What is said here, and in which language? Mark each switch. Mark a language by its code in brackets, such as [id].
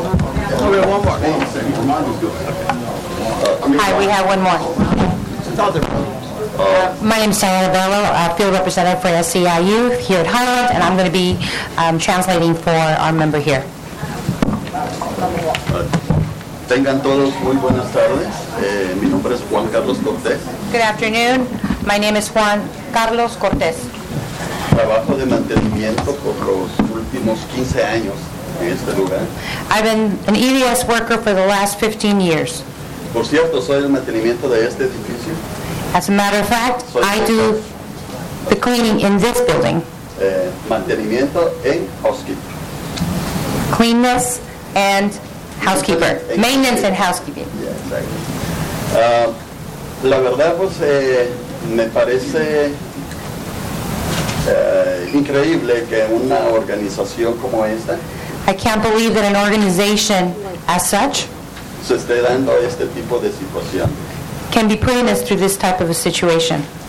[en] All right. Oh, we have one more. Hi, we have one more. My name is Diana Bello, a field representative for SEIU here at Highland, and I'm going to be translating for our member here. [es] Tengan todos muy buenas tardes. Mi nombre es Juan Carlos Cortés. [en] Good afternoon. My name is Juan Carlos Cortez. [es] Trabajo de mantenimiento por los últimos 15 años en este lugar. [en] I've been an EDS worker for the last 15 years. [es] Por cierto, soy el mantenimiento de este edificio. [en] As a matter of fact, I do the cleaning in this building. [es] Mantenimiento en housekeeping. [en] Cleanness and housekeeper. Maintenance and housekeeping. Yeah, exactly. [es] La verdad, pues, me parece increíble que una organización como esta. [en] I can't believe that an organization as such. [es] Se esté dando este tipo de situación. [en] Can be putting us through this type of a situation.